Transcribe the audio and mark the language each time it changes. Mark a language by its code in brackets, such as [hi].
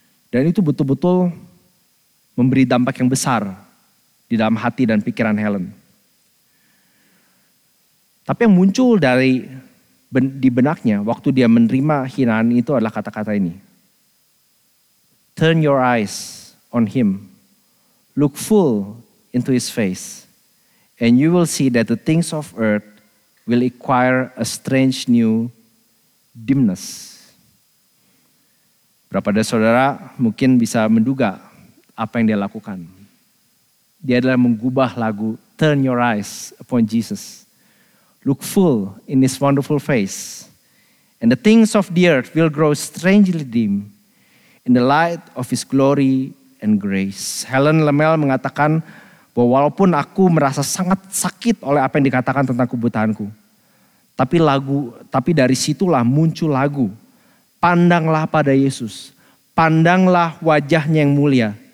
[id] Dan itu betul-betul memberi dampak yang besar di dalam hati dan pikiran Helen. Tapi yang muncul di benaknya waktu dia menerima hinaan itu adalah kata-kata ini. [en] Turn your eyes on him. Look full into his face. And you will see that the things of earth will acquire a strange new dimness. [id] Berapa dari saudara mungkin bisa menduga apa yang dia lakukan. Dia adalah mengubah lagu Turn Your Eyes Upon Jesus. [en] Look full in his wonderful face. And the things of the earth will grow strangely dim in the light of his glory and grace. [id] Helen Lemel mengatakan bahwa walaupun aku merasa sangat sakit oleh apa yang dikatakan tentang kebutaanku, tapi dari situlah muncul lagu. Pandanglah pada Yesus. Pandanglah wajahnya yang mulia.